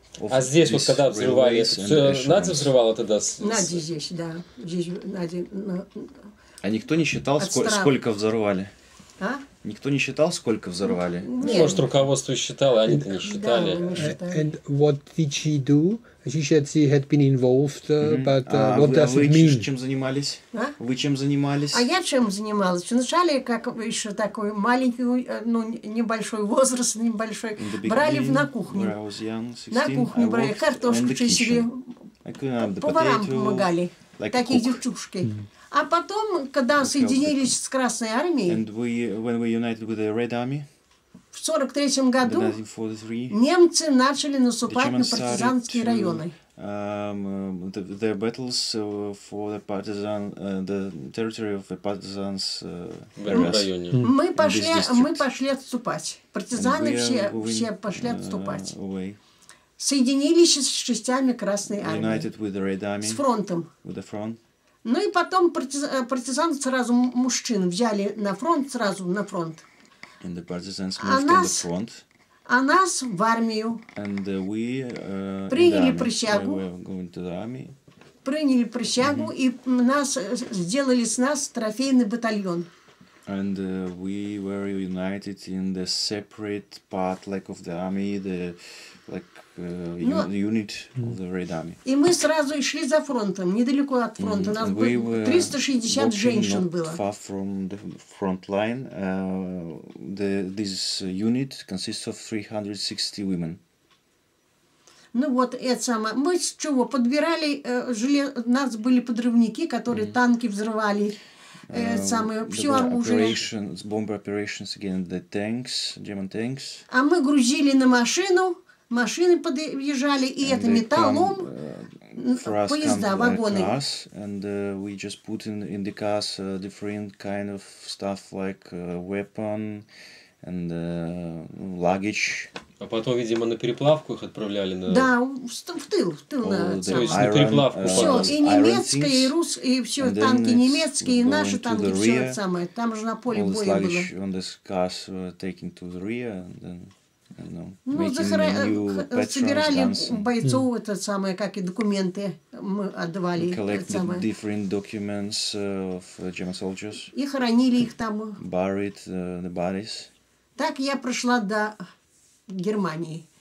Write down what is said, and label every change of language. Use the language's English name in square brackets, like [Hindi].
[Russian] А здесь вот когда взрывали, Надя взрывала тогда? Надя здесь, да. Здесь Надя, А никто не считал, сколько взорвали? А? Никто не считал, сколько взорвали? Ну, может, руководство считало, а они-то не считали. [English] And what did she do? She said she had been involved, but what does [Russian] вы, [English] it mean? [Russian] Вы чем занимались? А? Вы чем занимались? А я чем занималась? Вначале, как еще такой маленький, ну, небольшой возраст, небольшой, брали на кухню. [English] Young, 16, [Russian] на кухню брали, картошку чистили, поварам помогали, [English] like [Russian] такие девчушки. А потом, когда соединились с Красной Армией, [English] and when we united with the Red Army, [Russian] в 43-м году немцы начали наступать на партизанские районы. [English] The battles for the partisan, the territory of the partisans [Russian] Мы пошли отступать. Партизаны все пошли отступать. Соединились с частями Красной Армии. [English] United with the Red Army. [Russian] С фронтом. [English] With the front. [Russian] Ну и потом партизаны сразу мужчин взяли на фронт, сразу на фронт. [English] And the partisans moved on the front. [Russian] А нас в армию. [English] And we [Russian] приняли присягу. [English] We were going to the army. [Russian] Приняли присягу и нас сделали с нас трофейный батальон. [English] And we were united in the separate part like of the army, the like the unit of the Red Army. [Russian] И мы сразу и шли за фронтом, недалеко от фронта. У нас [English] we [Russian] было 360 женщин было. [English] Far from the front line, this unit consists of 360 women. [Russian] Ну вот, это самое. Мы с чего подбирали, у нас были подрывники, которые танки взрывали. [English] Operations, bomber operations against the tanks, German tanks. [Russian] А мы грузили на машину, машины подъезжали, и это металлом, поезда, вагоны. [English] And we just put in the cars different kind of stuff like weapon and luggage. [Russian] А потом, видимо, на переплавку их отправляли на... Да, в тыл, на... То есть на переплавку. Все, и немецкие, и русские, и все, танки немецкие, и наши танки, все это самое. Там же на поле боя было. [English] All this luggage on this cars were taken to the rear, and then, [Russian] ну, собирали бойцов, это самое, как и документы мы отдавали. [English] Collected different documents of German soldiers. [Russian] И хоронили их там. [English] Buried the bodies. [Russian] Так я прошла до... Германии.